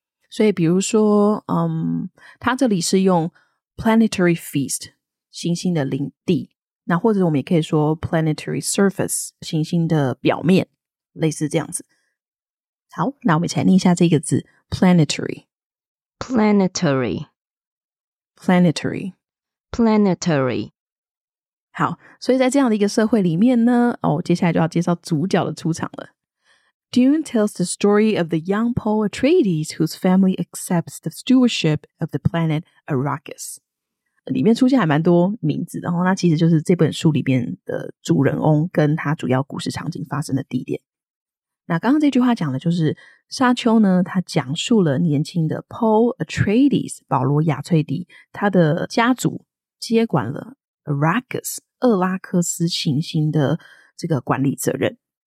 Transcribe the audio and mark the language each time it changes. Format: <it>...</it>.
<zh>所以比如说它这里是用planetary feast 行星的领地，那或者我们也可以说 planetary surface 行星的表面，类似这样子。好，那我们一起来念一下这个字 planetary</zh> <en>Planetary. Planetary. Planetary.</en> <zh>好，所以在这样的一个社会里面呢，哦，接下来就要介绍主角的出场了。</zh> <en>Dune tells the story of the young Paul Atreides whose family accepts the stewardship of the planet Arrakis.</en> <zh>里面出现还蛮多名字，然后那其实就是这本书里面的主人翁跟他主要故事场景发生的地点。那刚刚这句话讲的就是沙丘呢，他讲述了年轻的 Paul Atreides, 保罗亚翠迪，他的家族接管了 Arrakis, 厄拉克斯行星的这个管理责任。</zh>